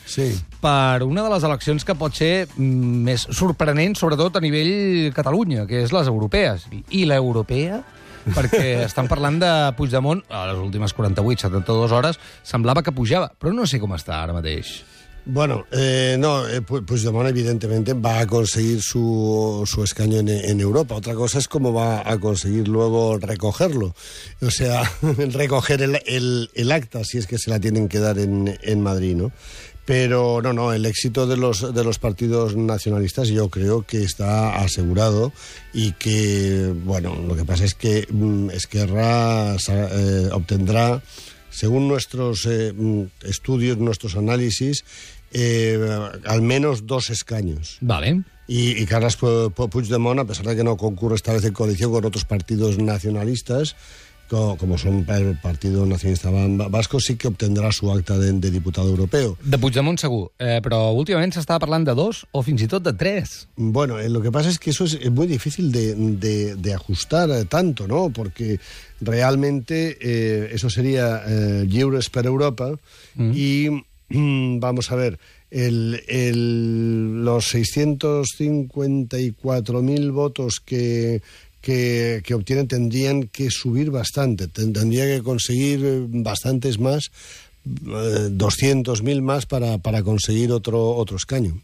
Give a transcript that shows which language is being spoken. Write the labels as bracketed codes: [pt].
[ca] sí, per una de les eleccions que pot ser més sorprenent, sobretot a nivell Catalunya, que és les europees. I l'europea? Perquè estan parlant de Puigdemont, a les últimes 48-72 hores, semblava que pujava, però no sé com està ara mateix. [es] Bueno, Puigdemont, evidentemente, [ca] va aconseguir [es] su escaño en Europa. Otra cosa es cómo va a conseguir luego recogerlo. O sea, recoger el acta, si es que se la tienen que dar en Madrid, ¿no? Pero no, el éxito de los partidos nacionalistas yo creo que está asegurado y que, bueno, lo que pasa es que Esquerra obtendrá, según nuestros estudios, nuestros análisis, al menos 2 escaños. Vale. Y Carles Puigdemont, a pesar de que no concurre esta vez en coalición con otros partidos nacionalistas, como son el Partido Nacionalista Vasco, sí que obtendrá su acta de diputado europeo. [ca] De Puigdemont segur, però últimament s'estava parlant de 2 o fins i tot de 3. [es] Bueno, lo que pasa es que eso es muy difícil de ajustar tanto, ¿no? Porque realmente eso sería Lliures per Europa y vamos a ver, los 654.000 votos que obtienen tendrían que subir bastante, tendrían que conseguir bastantes más, 200.000 más para conseguir otro escaño.